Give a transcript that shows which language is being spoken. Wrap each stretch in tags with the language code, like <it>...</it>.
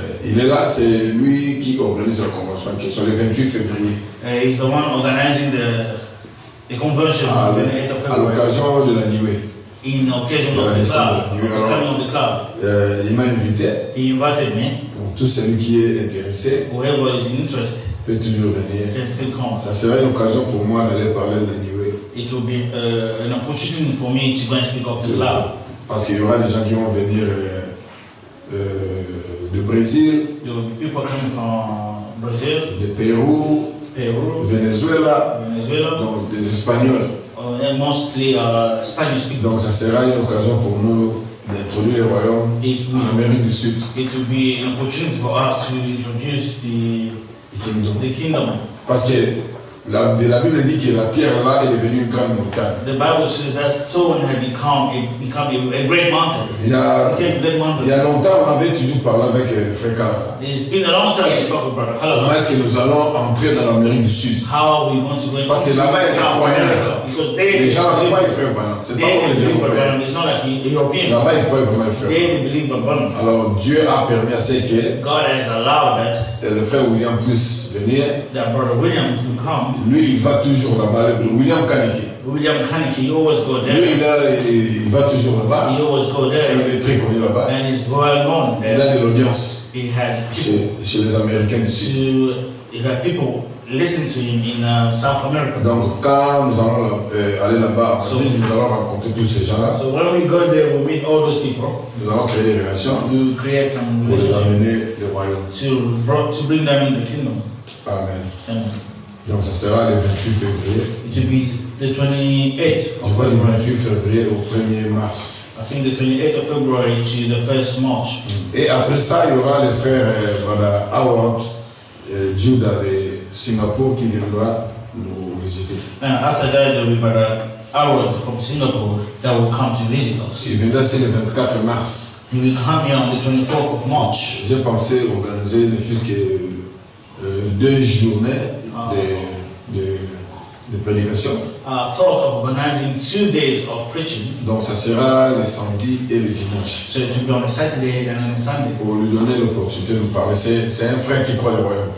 <fr>Il est là, c'est lui qui organise la convention, qui est sur le 28 février.</fr> <en>He's the one organizing the conversion on the 8th of February.</en> <fr>À l'occasion de la nuit.</fr> <en>In occasion of the club.</en> <fr>Alors,</fr> <en>of the club.</en> <fr>Il m'a invité.</fr> <en>He invited me.</en> <fr>Pour tout celui qui est intéressé.</fr> <en>Whoever is interested.</en> <fr>Peut toujours venir.</fr> <en>Can still come.</en> <fr>Ça serait une occasion pour moi d'aller parler de la nuit.</fr> <en>It will be an opportunity for me to go and speak of the club.</en> <fr>Parce qu'il y aura des gens qui vont venir de Brésil.</fr> <en>There will be people coming from Brazil.</en> <fr>De Pérou. Venezuela, donc des Espagnols.</fr> <en>Mostly Spanish people.</en> <fr>Donc ça sera une occasion pour nous d'introduire le royaume en Amérique du Sud.</fr> <en>It will be an opportunity for us to introduce the kingdom.</en> <fr>Parce que la Bible dit que la pierre là est devenue une grande montagne.</fr> <en>The Bible says that stone had become a great mountain.</en> <fr>Il y a longtemps, on avait toujours parlé avec Frère Kala.</fr> <en>It's been a long time we spoke with Brother Kala.</en> <fr>Comment est-ce que nous allons entrer dans l'Amérique du Sud?</fr> <en>How are we going to go into</en> <fr>parce que là-bas, ils croyaient. Les gens n'ont pas eu frère Branham. C'est pas comme les Européens. Là-bas, ils croyaient vraiment le frère. Alors, Dieu a permis à ce que le frère William puisse venir.</fr> <en>That Brother William can come.</en> <fr>Lui, il va toujours là-bas. William Kaniki.</fr> <en>William Kaniki, he always go there.</en> <fr>Lui, il va toujours là-bas.</fr> <en>He always go there.</en> <fr>Et il est très connu là-bas.</fr> <en>And he's well known there.</en> <fr>Il a de l'audience.</fr> <en>He has</en> <fr>chez les Américains du Sud.</fr> <en>He had people listen to him in South America.</en> <fr>Donc, quand nous allons aller là-bas, nous allons rencontrer tous ces gens-là.</fr> <en>So when we go there, we meet all those people.</en> <fr>Nous allons créer des relations.</fr> <en>We will create some</en> <fr>pour les amener le royaume.</fr> <en>To bring them in the kingdom. Amen. Amen.</en> <fr>Donc ça sera le 28 février.</fr> <en>It will be the 28th.</en> <fr>Je vois le 28 février au 1er mars.</fr> <en>I think the 28th of February to the 1st March.</en> <fr>Et après ça, il y aura le frère Howard Judah de Singapour qui viendra nous visiter.</fr> <en>And after that, there will be Brother Howard from Singapore that will come to visit us.</en> <fr>Il viendra le 24 mars.</fr> <en>He will come here on the 24th of March.</en> <fr>J'ai pensé organiser ne fût-ce que deux journées. De prédication.</fr> <en>Thought of organizing 2 days of preaching.</en> <fr>Donc ça sera le samedi et le dimanche.</fr> <en>So it will be on a Saturday and on a Sunday.</en> <fr>Pour lui donner l'opportunité de nous parler. C'est un frère qui croit le royaume.</fr>